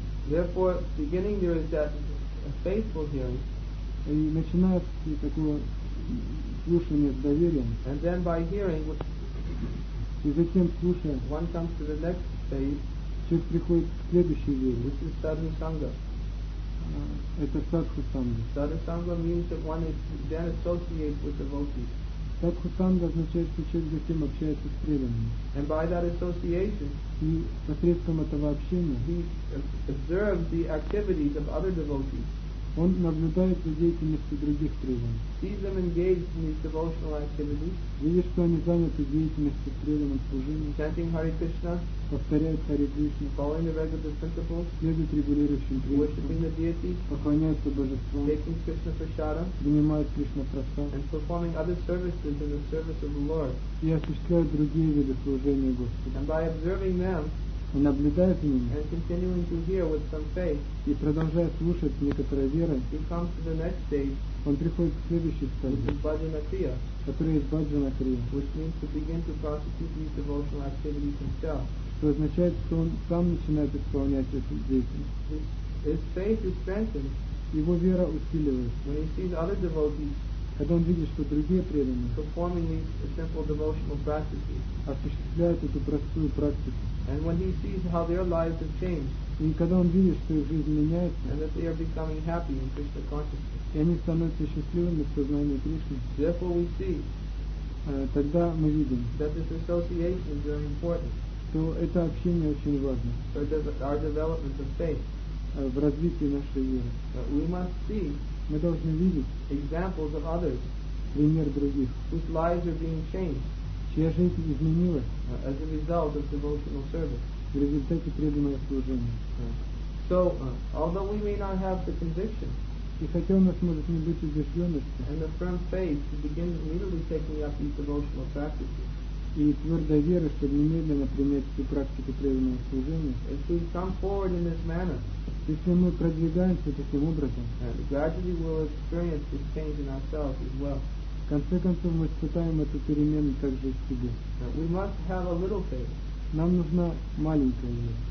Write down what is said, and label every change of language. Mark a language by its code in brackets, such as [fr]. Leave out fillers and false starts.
[en] Therefore, beginning there is that faithful hearing. [ru] И начиная с такого слушания с доверием, [en] and then by hearing, [ru] и затем слушая, [en] one comes to the next phase, [ru] человек приходит к следующей вере, [en] which is sadhu sangha. [ru] Это садху санга. [en] Sadhu sangha means that one is then associated with devotees. [ru] Садху санга означает, что человек затем общается с преданными. [en] And by that association, [ru] и посредством этого общения, [en] he observes the activities of other devotees. [ru] Он наблюдает за деятельностью других преданных. Видит, что они заняты деятельностью преданным служением, повторяют Харе Кришна, следуют регулирующим принципам, поклоняются божествам, принимают Кришна-прасад и осуществляют другие виды служения Господу. И наблюдая за ними, [en] and continuing to hear with some faith, [ru] и продолжая слушать с некоторой верой, [en] he comes to the next stage, [ru] он приходит к следующей стадии, которая есть Баджанакрия, [en] which means to begin to prosecute these devotional activities himself. [ru] Что означает, что он сам начинает исполнять эту деятельность. [en] His faith is strengthened. [ru] Его вера усиливается. [en] When he sees other devotees, [ru] когда он видит, что другие преданные [en] performing these simple devotional practices, [ru] осуществляют эту простую практику, [en] and when he sees how their lives have changed, [ru] и когда он видит, что их жизнь меняется, [en] and that they are becoming happy in Krishna consciousness, [ru] и они становятся счастливыми в сознании Кришны, [en] therefore we see, [ru] тогда мы видим, [en] that this association is very important, [ru] что это общение очень важно, [en] for our development of faith, [ru] в развитии нашей веры. [en] But we must see, [ru] мы должны видеть, [en] examples of others, [ru] пример других, [en] whose lives are being changed, [ru] чья жизнь изменилась [en] as a result of devotional service, [ru] в результате преданного служения. [en] So, although we may not have the conviction, [ru] и хотя у нас может не быть убежденности, [en] and a firm faith to begin immediately taking up these devotional practices, [ru] и твердая вера, чтобы немедленно принять всю практику преданного служения, [en] if we come forward in this manner, [ru] если мы продвигаемся таким образом, [en] gradually we'll experience this change in ourselves as well. [ru] В конце концов, мы испытаем эту перемену также в себе. [en] We must have a little faith. [ru] Нам нужна маленькая вера.